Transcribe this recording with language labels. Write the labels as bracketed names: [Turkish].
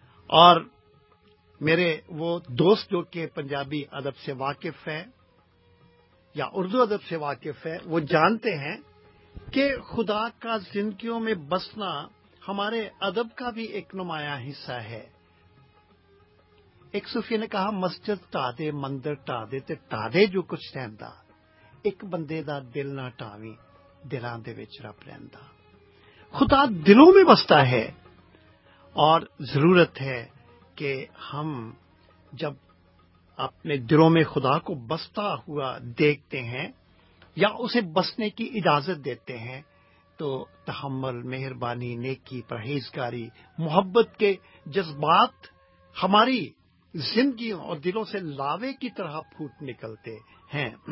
[Urdu] اور میرے وہ دوست جو کہ پنجابی ادب سے واقف ہے یا اردو ادب سے واقف ہے, وہ جانتے ہیں کہ خدا کا زندگیوں میں بسنا ہمارے ادب کا بھی ایک نمایاں حصہ ہے. [Punjabi] ایک صوفی نے کہا, مسجد ٹا دے, مندر ٹا دے, تے ٹا دے جو کچھ رہندا, ایک بندے دا دل نہ ٹاوی, دلان دے وچ رب رہندا. [Urdu] خدا دلوں میں بستا ہے, اور ضرورت ہے کہ ہم جب اپنے دلوں میں خدا کو بستا ہوا دیکھتے ہیں یا اسے بسنے کی اجازت دیتے ہیں تو تحمل, مہربانی, نیکی, پرہیزگاری, محبت کے جذبات ہماری زندگیوں اور دلوں سے لاوے کی طرح پھوٹ نکلتے ہیں.